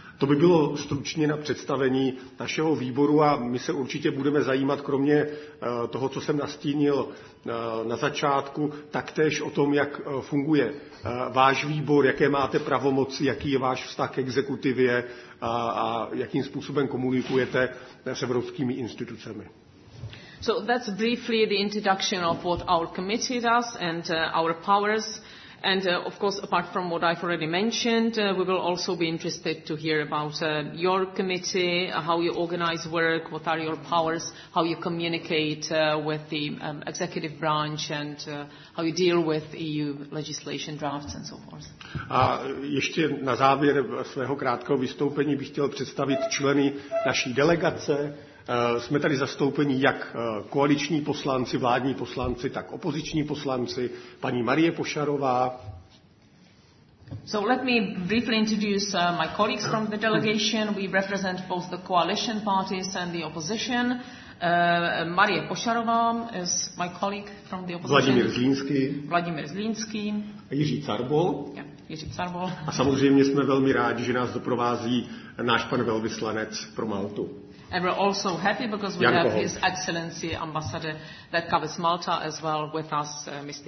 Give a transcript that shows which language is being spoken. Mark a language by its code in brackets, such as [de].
[cs] To by bylo stručně na představení našeho výboru a my se určitě budeme zajímat, kromě toho, co jsem nastínil na začátku, taktéž o tom, jak funguje váš výbor, jaké máte pravomoci, jaký je váš vztah k exekutivě a jakým způsobem komunikujete s evropskými institucemi. [en] So that's briefly the introduction of what our committee does and our powers. And of course, apart from what I've already mentioned, we will also be interested to hear about your committee, how you organize work, what are your powers, how you communicate with the executive branch, and how you deal with EU legislation drafts and so forth. [cs] A ještě na závěr svého krátkého vystoupení bych chtěl představit členy naší delegace. Jsme tady zastoupeni jak koaliční poslanci, vládní poslanci, tak opoziční poslanci, paní Marie Pošarová. [en] So let me briefly introduce my colleagues from the delegation. We represent both the coalition parties and the opposition. Marie Pošarová is my colleague from the opposition. Vladimír Zlínský. Vladimír Zlínský. [cs] A Jiří Carbol. [en] Jiří Carbol. [cs] A samozřejmě jsme velmi rádi, že nás doprovází náš pan velvyslanec pro Maltu. [en] And we're also happy because we have His Excellency Ambassador that covers Malta as well with us, Mr.